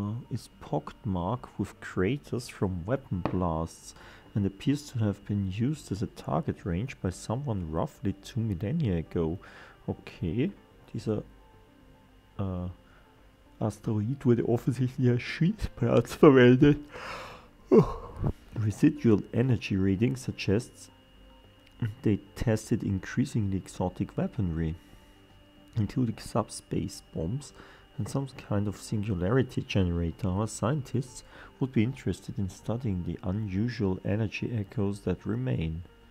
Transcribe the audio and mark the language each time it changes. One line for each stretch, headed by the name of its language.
English: Is pockmarked with craters from weapon blasts and appears to have been used as a target range by someone roughly 2 millennia ago.
German: Okay, dieser Asteroid wurde offensichtlich als Schießplatz verwendet.
English: Residual energy reading suggests they tested increasingly exotic weaponry, including subspace bombs and some kind of singularity generator. Our scientists would be interested in studying the unusual energy echoes that remain.